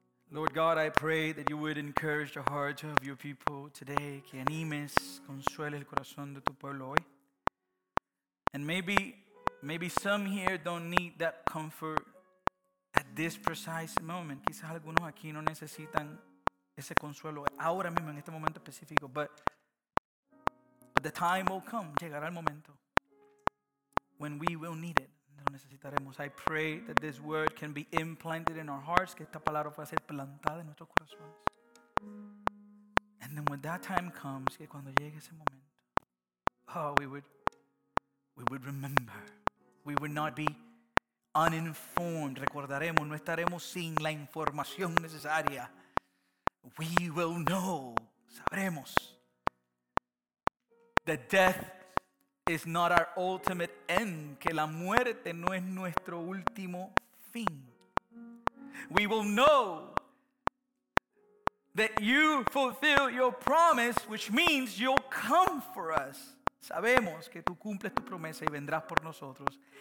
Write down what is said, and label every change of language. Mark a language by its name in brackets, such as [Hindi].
[English] Lord God, I pray that you would encourage the hearts of your people today. [Spanish] Que animes, consuele el corazón de tu pueblo hoy. [English] And maybe some here don't need that comfort at this precise moment. [Spanish] Quizás algunos aquí no necesitan ese consuelo ahora mismo, en este momento específico. [English] But the time will come. [Spanish] Llegará el momento. [English] When we will need it. [Spanish] Necesitaremos. [English] I pray that this word can be implanted in our hearts, [Spanish] que esta palabra pueda ser plantada en nuestros corazones. [English] And then when that time comes, [Spanish] que cuando llegue ese momento, [English] oh, we would remember. We would not be uninformed. [Spanish] Recordaremos, no estaremos sin la información necesaria. [English] We will know. [Spanish] Sabremos. [English] The death is not our ultimate end. [Spanish] Que la muerte no es nuestro último fin. [English] We will know that you fulfill your promise, which means you'll come for us. [Spanish] Sabemos que tú cumples tu promesa y vendrás por nosotros.